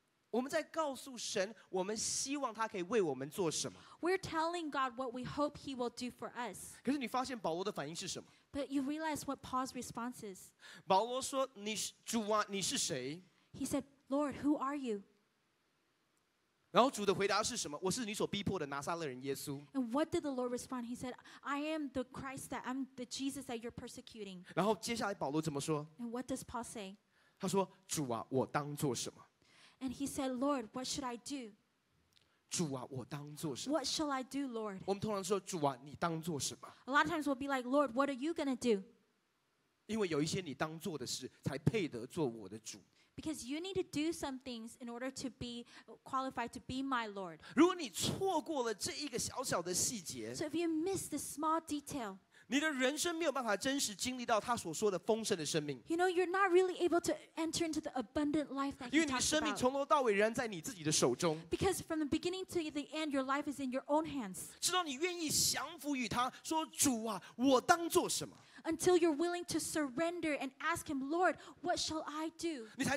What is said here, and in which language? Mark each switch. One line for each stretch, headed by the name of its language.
Chinese: 我们在告诉神, 我们希望他可以为我们做什么。
English: We're telling God what we hope he will do for us.
Chinese: 可是你发现保罗的反应是什么?
English: But you realize what Paul's response is.
Chinese: 保罗说, 你, 主啊, 你是谁?
English: He said, Lord, who are you?
Chinese: 然后主的回答是什么? 我是你所逼迫的拿撒勒人耶稣。
English: And what did the Lord respond? He said, I am the Christ, that I'm the Jesus that you're persecuting.
Chinese: 然后接下来保罗怎么说?
English: And what does Paul say?
Chinese: 他说, 主啊, 我当做什么?
English: And he said, Lord, what should I do?
Chinese: 主啊, 我当作什么?
English: What shall I do, Lord?
Chinese: 我们通常说, 主啊, 你当作什么?
English: A lot of times we'll be like, Lord, what are you going to do?
Chinese: 因为有一些你当作的事, 才配得做我的主。
English: Because you need to do some things in order to be qualified to be my Lord.
Chinese: 如果你错过了这一个小小的细节,
English: so if you miss the small detail,
Chinese: 你的人生没有办法真实经历到他所说的丰盛的生命。
English: You know, you're not really able to enter into the abundant life that he talks about.
Chinese: 因为你生命从头到尾仍然在你自己的手中。
English: Because from the beginning to the end, your life is in your own hands.
Chinese: 直到你愿意降服于他, 说主啊, 我当做什么?
English: Until you're willing to surrender and ask him, Lord, what shall I do?